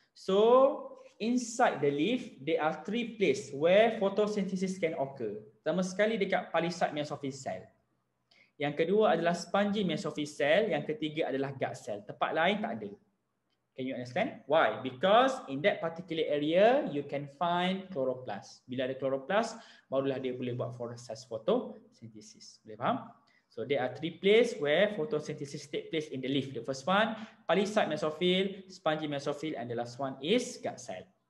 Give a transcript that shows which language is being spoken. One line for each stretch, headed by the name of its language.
English: So inside the leaf, there are three place where photosynthesis can occur.
Malay: Pertama sekali dekat palisade mesophyll cell. Yang kedua adalah spongy mesophyll cell. Yang ketiga adalah guard cell. Tempat lain tak ada.
English: Can you understand? Why? Because in that particular area, you can find chloroplast.
Malay: Bila ada chloroplast, barulah dia boleh buat proses photosynthesis. Boleh faham?
English: So there are three place where photosynthesis take place in the leaf. The first one, palisade mesophyll, spongy mesophyll, and the last one is guard cell.